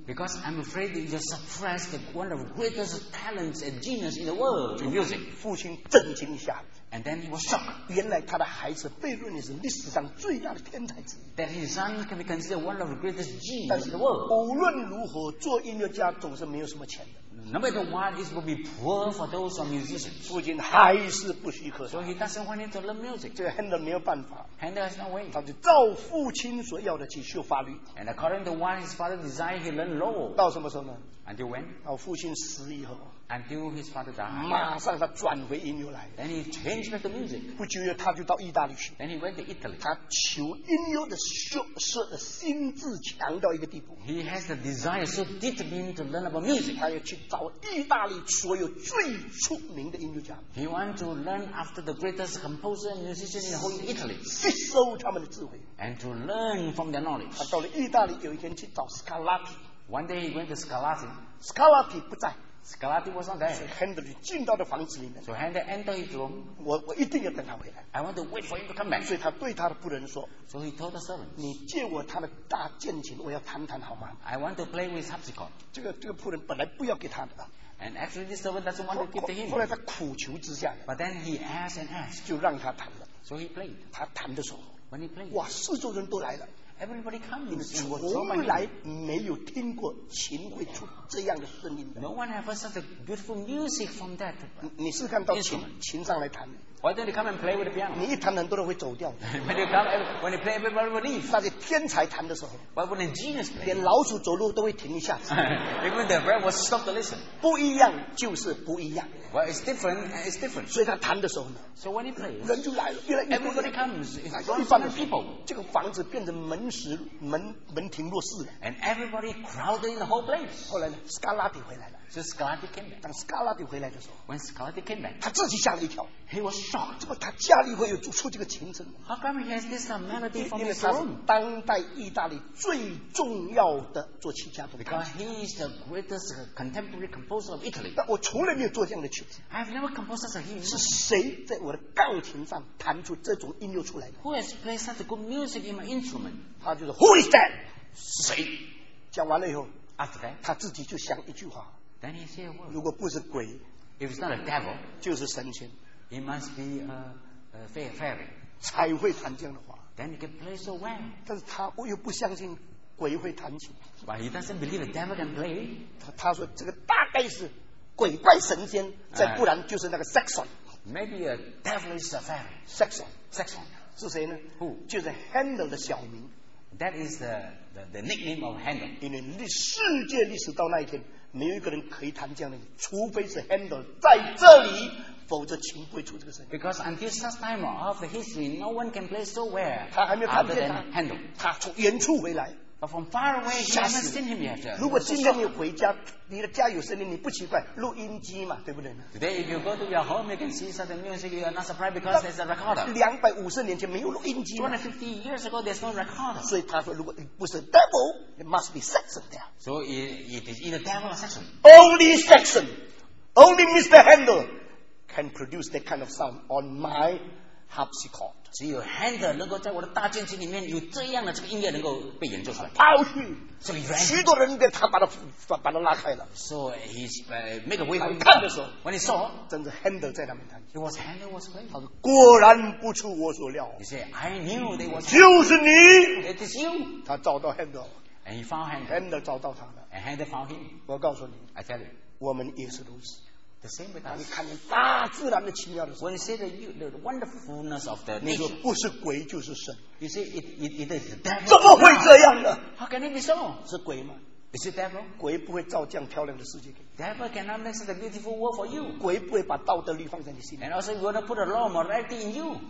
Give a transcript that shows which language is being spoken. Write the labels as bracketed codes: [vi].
[en] Because I'm afraid that you suppressed one of the greatest talents and genius in the world in music. [zh] 父亲震惊一下。 [en] And then he was shocked. [zh] 原来他的孩子被认为是历史上最大的天才之一。 [en] That his son can be considered one of the greatest genius in the world. [zh] 无论如何，做音乐家总是没有什么钱的。 [en] No matter what, it will be poor for those who are musicians. [zh] 父亲还是不许可, [en] so he doesn't want him to learn music. [zh] 这个Handel没有办法, [en] Handel has no way. [zh] 他就照父亲所要的去修法律, [en] and according to what his father designed, he learned law. [zh] 到什么时候呢? [en] Until when? [zh] 父亲死以后, [en] until his father died. [zh] 马上他转回音乐来。 [en] Then he changed back to music. [zh] 不久他就到意大利去。 [en] Then he went to Italy. [zh] 他求音乐的心智强到一个地步。 [en] He has the desire so determined to learn about music. [zh] 他要去找意大利所有最出名的音乐家。 [en] He want to learn after the greatest composer and musician in whole Italy. [zh] 吸收他们的智慧。 [en] And to learn from their knowledge. [zh] 他到了意大利有一天去找 Scarlatti。 [en] One day he went to Scarlatti. [zh] Scarlatti 不在。 [en] Scarlatti was not there. [zh] So Handel 进到的房子里面。 [en] So Handel entered his room. [zh] 我一定要等他回来。 [en] I want to wait for him to come back. [zh] 所以他对他的仆人说。 [en] So he told the servant. [zh] 你借我他的大键琴，我要弹弹好吗 [en] ？I want to play with harpsichord. [zh] 这个仆人本来不要给他的。 [en] And actually this servant doesn't want to give to him. [zh] 后来他苦求之下。 [en] But then he asked and asked. [zh] 就让他弹了。 [en] So he played. [zh] 他弹的时候。 [en] When he played. [zh] 哇，四周人都来了。 [en] Everybody comes. [zh] 从来没有听过琴会出这样的声音的。 [en] No one ever such a beautiful music from that. [zh] 你试看到琴上来弹。 [en] Why don't you come and play with the piano? [zh] 你一弹，很多人会走掉。 [en] When you come, when you play, everybody will leave. [zh] 那是天才弹的时候。 [en] Why wouldn't genius play? [zh] 连老鼠走路都会停一下 [en] 子。Even the bird will stop to listen. [zh] 不一样就是不一样。 [en] Well, it's different. It's different. [zh] 所以他弹的时候呢 [en] ？So when he plays, [zh] 人就来了，越来越多。 [en] Everybody comes. It's a lot of people. [zh] 这个房子变成门庭若市。 [en] And everybody crowded in the whole place. [zh] 后来呢 ，Scarlatti 回来了。 [en] So Scarlatti came back. [zh] 当 Scarlatti 回来的时候 [en] ，When Scarlatti came back, [zh] 他自己吓了一跳。 [en] He was shocked. [zh] 怎么他家里会有出这个琴声 [en] ？How come he has this melody from his room? [zh] 因为他是当代意大利最重要的作曲家。 [en] Because he is the greatest contemporary composer of Italy. [zh] 但我从来没有做这样的曲子。 [en] I've never composed such a hymn. [zh] 是谁在我的钢琴上弹出这种音乐出来的 [en] ？Who has played such good music in my instrument? [zh] 他就是 [en] Who is that? [zh] 是谁？讲完了以后 [en] ，After that, [zh] 他自己就想一句话。 [en] Then he said, well, [zh] 如果不是鬼 [en] ，If it's not a devil, [zh] 就是神仙。 [en] It must be a fairy. [zh] 才会弹这样的话。 [en] Then he can play so well. [zh] 但是他我又不相信鬼会弹琴。 [en] But he doesn't believe a devil can play. [zh] 他说这个大概是鬼怪神仙，再不然就是那个 Saxon. [en] Maybe a devil is a fairy. Saxon. Saxon. [zh] 是谁呢 [en] ？Who? [zh] 就是 Handel 的小名。 [en] That is the nickname of Handel. [zh] 因为世界历史到那一天。没有一个人可以弹这样的，除非是 Handel 在这里，否则琴不会出这个声音。 [en] Because until such time of history, no one can play so well. [zh] 他还没有看见他 Handel，他从远处回来。 [en] But from far away, he hasn't seen him yet. [zh] 如果今天你回家，你的家有声音，你不奇怪，录音机嘛，对不对 [en] ？Today, if you go to your home, you can see something music. You are not surprised because there's a recorder. [zh] 250年前没有录音机。 [en] 250 years ago, there's no recorder. [zh] 所以他说，如果不是 devil, [en] it must be Saxon there. So it is either devil or Saxon. Only Saxon, only Mr. Handel can produce that kind of sound on my harpsichord. [zh] 只有 Handel 能够在我的大键琴里面有这样的这个音乐能够被演奏出来。抛去，所以 ran, 许多人给他把他拉开了。 [en] So he make a way for [zh] him. 看的时候 [en] ，when he saw， [zh] 真的 Handel 在他面前。 [en] He was Handel was playing. [zh] 他说果然不出我所料。 [en] He said I knew they was. [zh] 就是你。 [en] It is you. [zh] 他找到 Handel。 [en] And he found Handel. [zh] Handel 找到他了。 [en] And Handel found him. [zh] 我告诉你 [en] ，I tell you， [zh] 我们也是如此。 [en] The same with us. [zh] 你看见大自然的奇妙的时候 [en] ，When you see the wonderfulness of the nature， [zh] 你说不是鬼就是神 [en] ，You see it is the devil。 [zh] 怎么会这样的 [en] ？How can it be so？ [zh] 是鬼吗 [en] ？Is it devil？ [zh] 鬼不会造这样漂亮的世界给你。 [en] Devil cannot make such a beautiful world for you。 [zh] 鬼不会把道德律放在你心里。 [en] And also you're gonna put a law of morality in you。